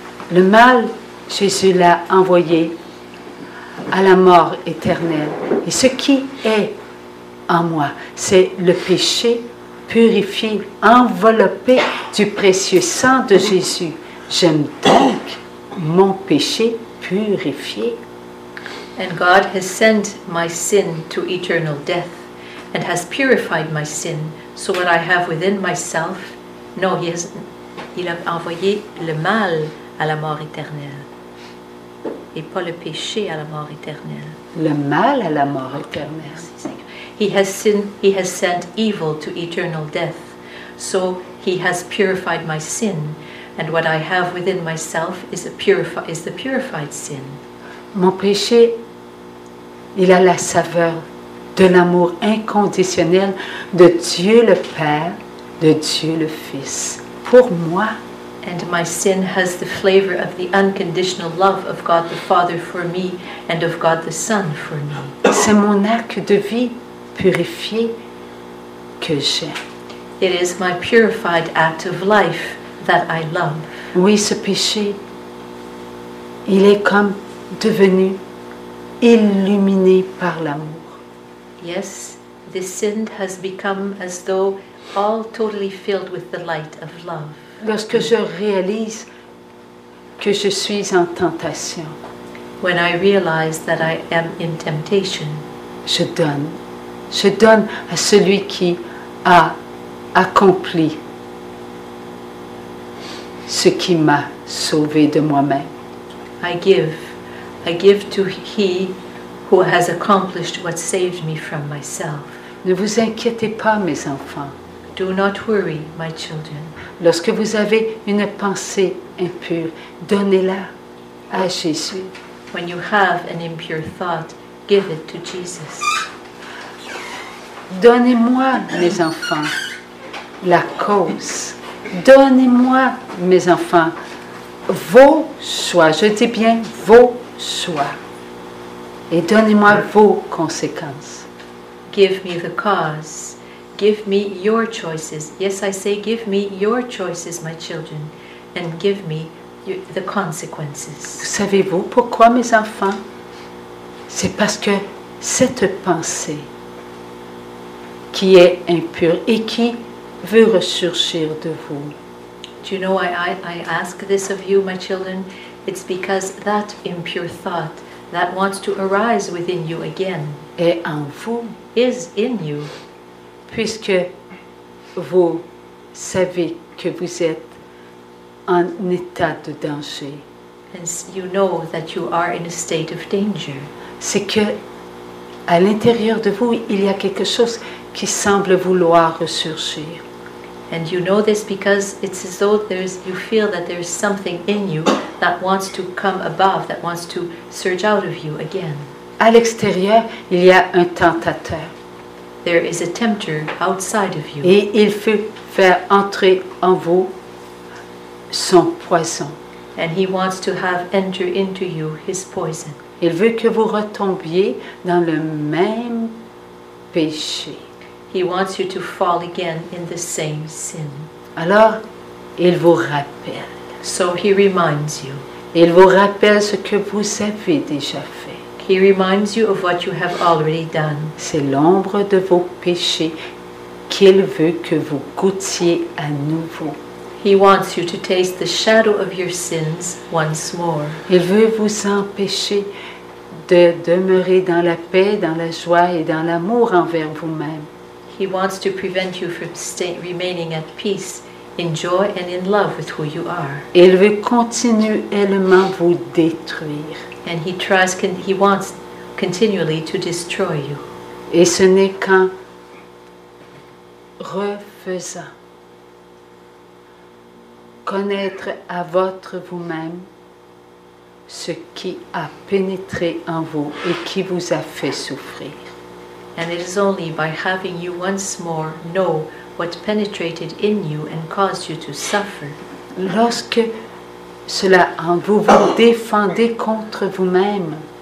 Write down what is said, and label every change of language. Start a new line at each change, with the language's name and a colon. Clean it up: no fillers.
French: Le mal, Jésus l'a envoyé à la mort éternelle. Et ce qui est en moi, c'est le péché purifié, enveloppé du précieux sang de Jésus. J'aime donc mon péché purifié.
English: And God has sent my sin to eternal death and has purified my sin. So what I have within myself,
French: no, il a envoyé le mal à la mort éternelle et pas le péché à la mort éternelle. Le mal à la mort éternelle.
English: He has sent evil to eternal death, so he has purified my sin, and what I have within myself is the purified sin.
French: Mon péché, il a la saveur de l'amour inconditionnel de Dieu le Père, de Dieu le Fils, pour moi.
English: And my sin has the flavor of the unconditional love of God the Father for me, and of God the Son for me.
French: C'est mon arc de vie purifié que j'aime.
English: It is my purified act of life that I love.
French: Oui, ce péché, il est comme devenu illuminé par l'amour.
English: Yes, this sin has become as though all totally filled with the light of love.
French: Lorsque je réalise que je suis en tentation,
English: when I realize that I am in temptation,
French: je donne. Je donne à celui qui a accompli ce qui m'a sauvé de moi-même.
English: I give to he who has accomplished what saved me from myself.
French: Ne vous inquiétez pas, mes enfants.
English: Do not worry, my children.
French: Lorsque vous avez une pensée impure, donnez-la à Jésus.
English: When you have an impure thought, give it to Jesus.
French: Donnez-moi, mes enfants, la cause. Donnez-moi, mes enfants, vos choix. Je dis bien vos choix. Et donnez-moi vos conséquences.
English: Give me the cause. Give me your choices. Yes, I say, give me your choices, my children. And give me the consequences.
French: Vous savez-vous pourquoi, mes enfants? C'est parce que cette pensée qui est impure et qui veut ressurgir de vous.
English: Do you know why I ask this of you, my children? It's because that impure thought that wants to arise within you again
French: est en vous.
English: Is in you.
French: Puisque vous savez que vous êtes en état de danger.
English: And you know that you are in a state of danger.
French: C'est que à l'intérieur de vous, il y a quelque chose qui semble vouloir ressurgir.
English: And you know this because it's as though you feel that there's something in you that wants to come above, that wants to surge out of you again.
French: À l'extérieur, il y a un tentateur.
English: There is a tempter outside of you.
French: Et il veut faire entrer en vous son poison.
English: And he wants to have enter into you his poison.
French: Il veut que vous retombiez dans le même péché.
English: He wants you to fall again in the same sin.
French: Alors, il vous rappelle.
English: So he reminds you.
French: Il vous rappelle ce que vous avez déjà fait.
English: He reminds you of what you have already done.
French: C'est l'ombre de vos péchés qu'il veut que vous goûtiez à nouveau.
English: He wants you to taste the shadow of your sins once more.
French: Il veut vous empêcher de demeurer dans la paix, dans la joie et dans l'amour envers vous-même.
English: He wants to prevent you from remaining at peace, in joy and in love with who you are.
French: Il veut continuellement vous détruire.
English: And he wants continually to destroy you.
French: Et ce n'est qu'en refaisant connaître à votre vous-même ce qui a pénétré en vous et qui vous a fait souffrir.
English: And it is only by having you once more know what penetrated in you and caused you to suffer.
French: Lorsque cela en vous vous défendez contre vous-même,